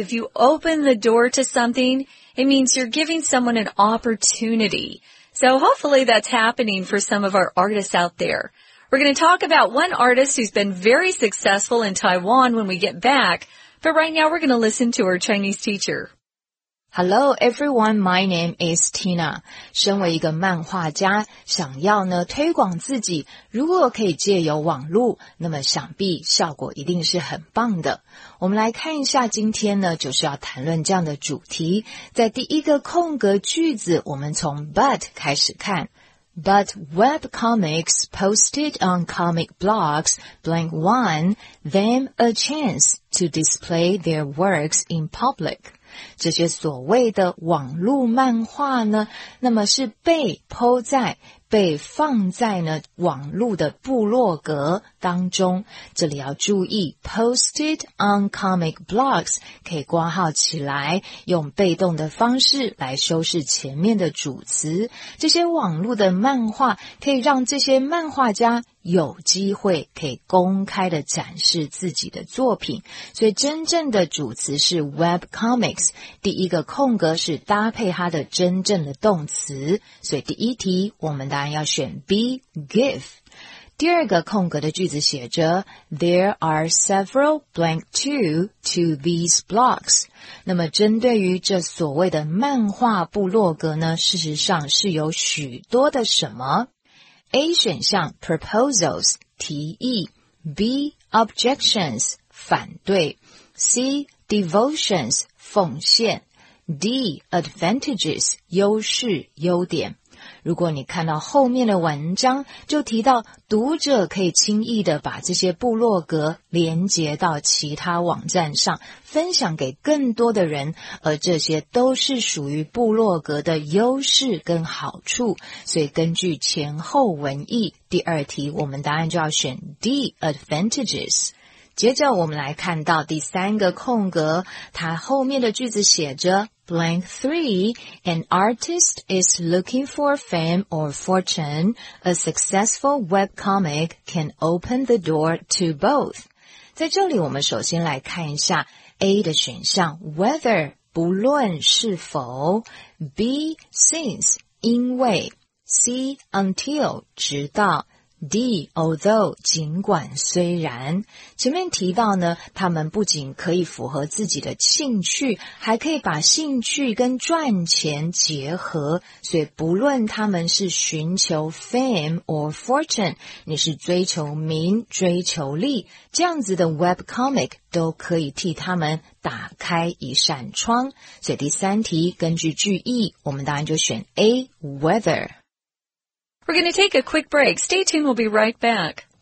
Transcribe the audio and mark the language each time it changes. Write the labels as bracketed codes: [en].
[en] If you open the door to something, it means you're giving someone an opportunity. So hopefully that's happening for some of our artists out there. We're going to talk about one artist who's been very successful in Taiwan when we get back, but right now we're going to listen to our Chinese teacher. Hello everyone, my name is Tina. [zh] 身为一个漫画家，想要呢推广自己，如果可以借由网络，那么想必效果一定是很棒的。我们来看一下，今天呢就是要谈论这样的主题。在第一个空格句子，我们从 but 开始看。 [en] But web comics posted on comic blogs blank one them a chance to display their works in public. [zh] 这些所谓的网络漫画呢，那么是被po在被放在呢网络的部落格当中。这里要注意 [en] posted on comic blogs [zh] 可以括号起来，用被动的方式来修饰前面的主词。这些网络的漫画可以让这些漫画家有机会可以公开的展示自己的作品，所以真正的主词是 web comics， 第一个空格是搭配它的真正的动词，所以第一题我们当然要选 B give。第二个空格的句子写着 [en] There are several blank to these blogs. [zh] 那么针对于这所谓的漫画部落格呢，事实上是有许多的什么？ A 选项 proposals 提议， B objections 反对， C devotions 奉献， D advantages 优势优点。如果你看到后面的文章，就提到读者可以轻易的把这些部落格连接到其他网站上，分享给更多的人，而这些都是属于部落格的优势跟好处。所以根据前后文意，第二题我们答案就要选 D advantages。接着我们来看到第三个空格，它后面的句子写着 [en] Blank 3, an artist is looking for fame or fortune. A successful webcomic can open the door to both. [zh] 在这里我们首先来看一下 A 的选项 whether, 不论是否 B, since, 因为 C, until, 直到D, although, 尽管虽然。前面提到呢，他们不仅可以符合自己的兴趣，还可以把兴趣跟赚钱结合，所以不论他们是寻求 [en] fame or fortune, [zh] 你是追求名、追求利，这样子的 webcomic 都可以替他们打开一扇窗。所以第三题，根据句意，我们当然就选 A, whether。 [en] We're going to take a quick break. Stay tuned, we'll be right back.